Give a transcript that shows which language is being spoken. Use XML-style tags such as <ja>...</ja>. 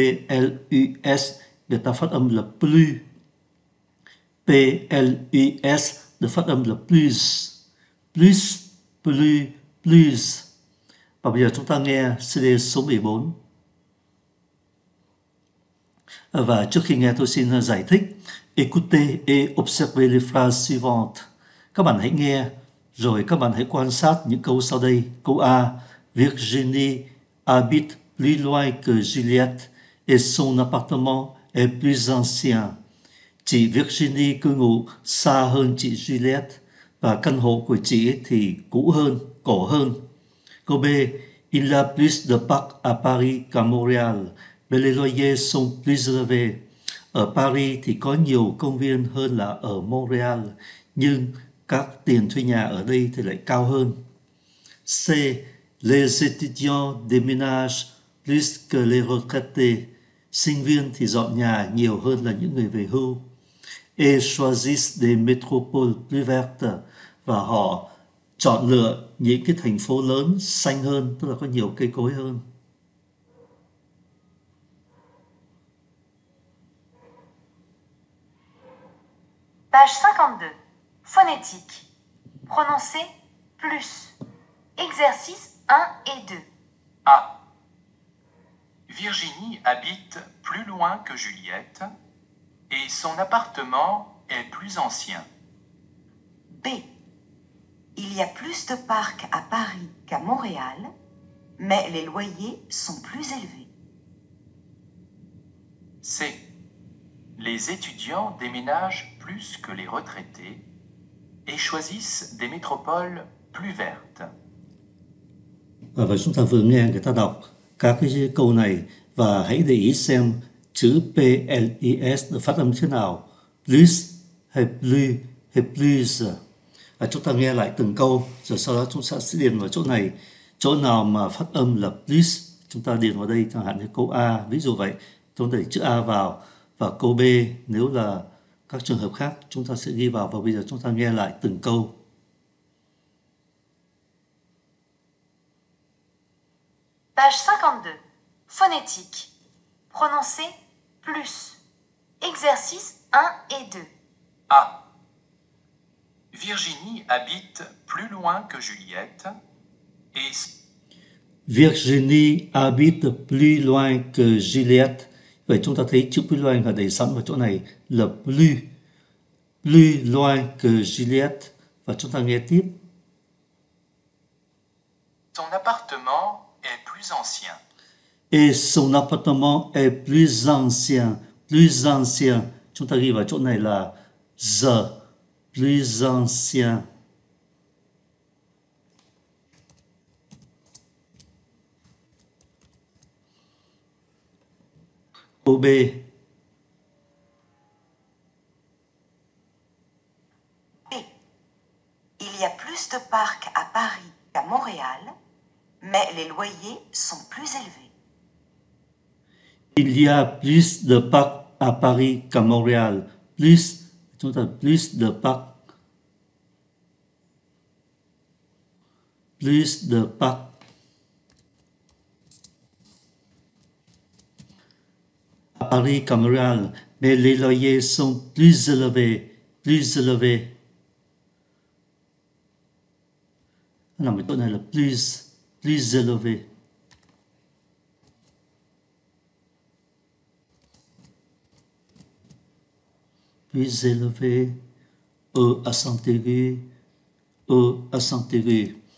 <vi>PLUS, người ta phát âm là plus. PLUS, được phát âm là plus. Plus, plus, plus. Và bây giờ chúng ta nghe CD số 14. Và trước khi nghe tôi xin giải thích.</vi> <fr>Écoutez et observez les phrases suivantes.</fr> <vi>Các bạn hãy nghe, rồi các bạn hãy quan sát những câu sau đây. Câu A.</vi> <fr>Virginie habite plus loin que Juliette et son appartement est plus ancien.</fr> <vi>Chị Virginie cư ngụ xa hơn chị Juliette và căn hộ của chị ấy thì cũ hơn, cổ hơn. Câu B.</vi> <fr>Il a plus de parcs à Paris qu'à Montréal, mais les loyers sont plus élevés.</fr> <vi>Ở Paris thì có nhiều công viên hơn là ở Montréal, nhưng các tiền thuê nhà ở đây thì lại cao hơn.</vi> <fr>C. Les étudiants déménagent plus que les retraités.</fr> <vi>Sinh viên thì dọn nhà nhiều hơn là những người về hưu.</vi> <fr>Et choisissent des métropoles plus vertes.</fr> <vi>Và họ chọn lựa những cái thành phố lớn xanh hơn, tức là có nhiều cây cối hơn.</vi> <fr>Page 52. Phonétique. Prononcez plus. Exercice 1 et 2. A. Virginie habite plus loin que Juliette et son appartement est plus ancien. B. Il y a plus de parcs à Paris qu'à Montréal, mais les loyers sont plus élevés. C. Les étudiants déménagent plus que les retraités et choisissent des métropoles plus vertes.</fr> <vi>Và chúng ta vừa nghe người ta đọc các cái câu này và hãy để ý xem chữ PLES được phát âm thế nào, plus hay plus hay plus. Và chúng ta nghe lại từng câu rồi sau đó chúng ta sẽ điền vào chỗ này. Chỗ nào mà phát âm là plus chúng ta điền vào đây, chẳng hạn như câu A ví dụ vậy, chúng ta để chữ A vào. Và câu B nếu là các trường hợp khác chúng ta sẽ ghi vào. Và bây giờ chúng ta nghe lại từng câu.</vi> <fr>Page 52. Phonétique. Prononcez plus. Exercice 1 et 2. A. Virginie habite plus loin que Juliette et Virginie habite plus loin que Juliette.</fr> <vi>Vậy chúng ta thấy chữ plus loin là để sẵn vào chỗ này là plus. Plus loin que Juliette. Và chúng ta nghe tiếp.</vi> <fr>Ton appartement est plus ancien. Et son appartement est plus ancien. Plus ancien.</fr> <vi>Chúng ta arrive à chỗ này là the.</vi> <fr>Plus ancien. OB. Il y a plus de parcs à Paris qu'à Montréal, mais les loyers sont plus élevés. Il y a plus de parcs à Paris qu'à Montréal. Plus, tout à plus de parcs. Plus de parcs. À Paris qu'à Montréal, mais les loyers sont plus élevés. Plus élevés.</fr> <vi>Nằm ở chỗ này là plus, plus élevé.</vi> <fr>Plus élevé, E accent aigu, E accent aigu.</fr>